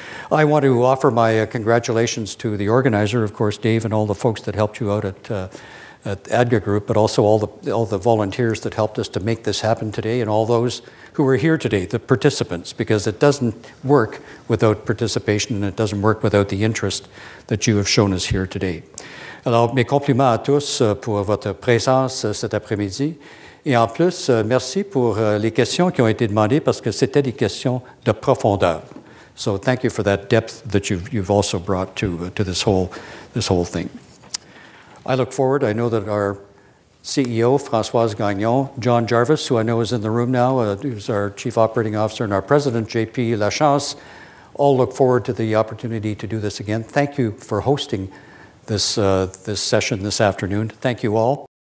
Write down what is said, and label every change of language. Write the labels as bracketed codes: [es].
[en] I want to offer my congratulations to the organizer, of course, Dave, and all the folks that helped you out at ADGA Group, but also all the volunteers that helped us to make this happen today, and all those who are here today, the participants, because it doesn't work without participation, and it doesn't work without the interest that you have shown us here today. [fr] Alors, mes compliments à tous pour votre présence cet après-midi. Et en plus, merci pour les questions qui ont été demandées, parce que c'était des questions de profondeur. [en] So thank you for that depth that you've also brought to this whole thing. I look forward. I know that our CEO, Françoise Gagnon, John Jarvis, who I know is in the room now, who's our Chief Operating Officer, and our President, JP Lachance, all look forward to the opportunity to do this again. Thank you for hosting this session this afternoon. Thank you all.